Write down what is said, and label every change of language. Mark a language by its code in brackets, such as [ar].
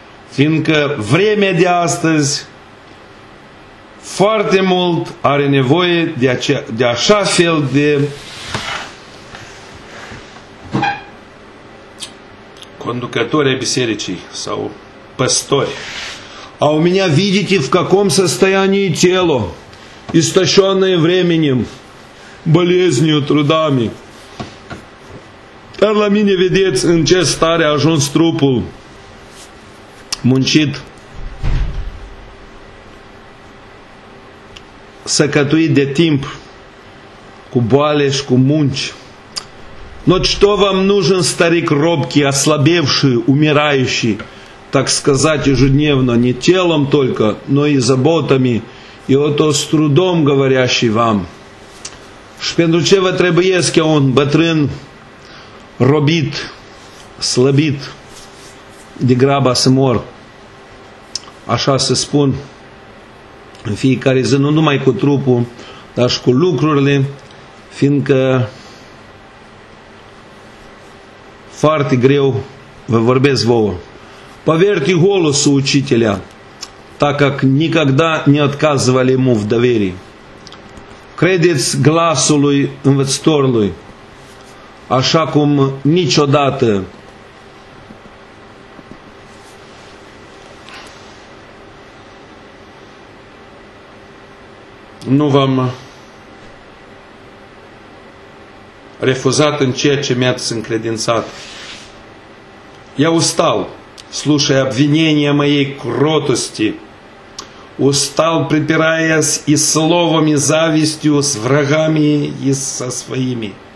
[ro] Fiindcă vremea de astăzi foarte mult are nevoie de așa fel de conducători ai bisericii sau păstori. [ru] А у меня, видите, в каком состоянии тело, истощенное временем, болезнью, трудами. [ro] Dar la mine vedeți în ce stare a ajuns trupul muncit, săcătuit de timp, cu boale și cu munci. [ru] Но что вам нужен старик робкий, ослабевший, умирающий, так сказать, ежедневно, не телом только, но и заботами, и ото с трудом говорящий вам? [ro] Și pentru ce vă trebuiesc eu, un bătrân robit, slăbit, de graba să mor? Așa se spun în fiecare zi, nu numai cu trupul, dar și cu lucrurile, fiindcă foarte greu vă vorbesc vouă. [ru] Поверьте голосу учителя, так как никогда не отказывали ему в доверии. [ro] Credeți glasului învățătorului, așa cum niciodată nu v-am refuzat în ceea ce mi-ați încredințat. [ru] Я устал, слушая обвинения моей кротости, устал, припираясь и словом, и завистью с врагами и со своими.